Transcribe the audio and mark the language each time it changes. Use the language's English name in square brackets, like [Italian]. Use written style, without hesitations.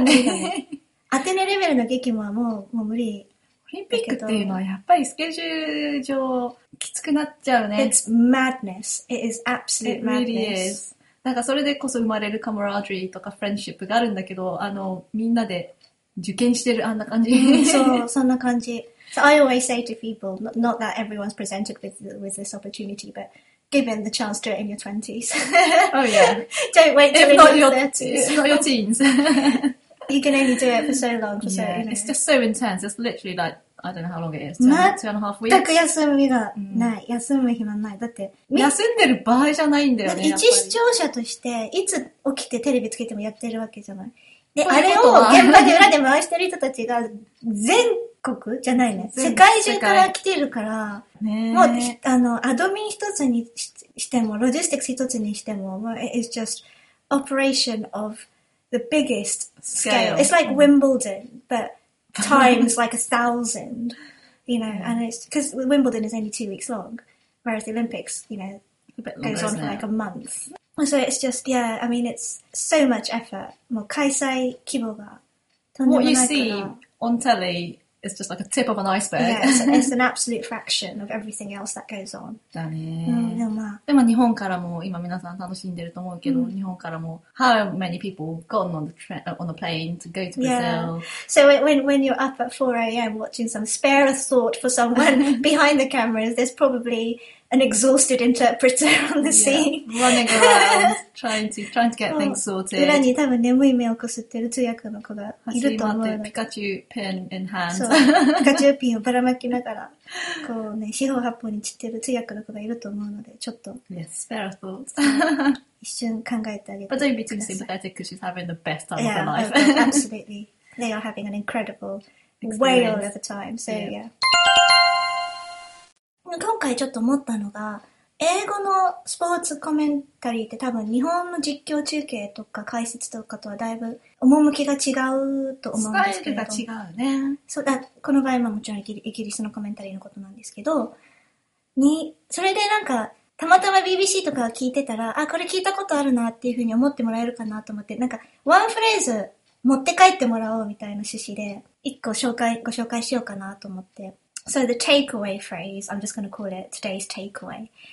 [Japanese] あれはもう無理だね。アテネレベルの激務はもう無理。オリンピックっていうのはやっぱりスケジュール上きつくなっちゃうね。 [English] It's madness. It is absolute madness. It really is. [Japanese] なんかそれでこそ生まれるカモラドリーとかフレンシップがあるんだけど、あの、みんなで受験してるあんな感じ。そう、そんな感じ。 [English] So I always say to people, not that everyone's presented with this opportunity, but given the chance to it in your 20s. Oh yeah. Don't wait till you're 30. It's not your teens. You can only do it for so long. For、yeah. so, you know. It's just so intense. It's literally like, I don't know how long it is. 2.5 weeks. [Japanese] 全く休む日がない。うん、休む日もない。だって、休んでる場合じゃないんだよね。一視聴者として、いつ起きてテレビつけてもやってるわけじゃない。で、あれを現場で裏で回してる人たちが、全国じゃないね。世界中から来てるから、ね、もう、あの、アドミン一つにしても、ロジスティックス一つにしても、もう、 [English] it's just operation of the biggest scale. It's like Wimbledon, but,times like 1,000, you know, and it's because Wimbledon is only 2 weeks long, whereas the Olympics, you know, goes on for like a month. So it's just, yeah, I mean, it's so much effort. [Japanese] もう開催規模がとんでもないから。 [English] What you see on telly is just like a tip of an iceberg. Yeah, it's an absolute fraction of everything else that goes on. [Japanese] だね。でもまあ。でも日本からも今皆さん楽しんでると思うけど、日本からも [English] How many people gone on the plane to go to Brazil? Yeah. So when you're up at 4 a.m. watching some spare a thought for someone behind the cameras, there's probably an exhausted interpreter on the scene. Yeah, running around, trying to get things sorted. [Japanese] 裏に多分眠い目をこすってる通訳の子がいると思うので。走り回ってピカチュウペン [English] in hand. [Japanese] そう。ピカチュウピンをばらまきながら、こうね、四方八方に散ってる通訳の子がいると思うので、ちょっと。 [English] Yes, spare a thought. [Japanese] 一瞬考えてあげてください。 [English] But don't be too sympathetic, because she's having the best time yeah, of her life. Yeah, absolutely. They are having an incredible whale of a time. So, yeah. yeah. [Japanese] 今回ちょっと思ったのが、英語のスポーツコメンタリーって多分日本の実況中継とか解説とかとはだいぶ趣が違うと思うんですけど、スタイルが違うね。そうだ、この場合ももちろんイギリスのコメンタリーのことなんですけど、に、それでなんか、たまたま BBC とか聞いてたら、あ、これ聞いたことあるなっていうふうに思ってもらえるかなと思って、なんか、ワンフレーズ持って帰ってもらおうみたいな趣旨で、一個ご紹介しようかなと思って。 [English] So the takeaway phrase, I'm just going to call it today's takeaway.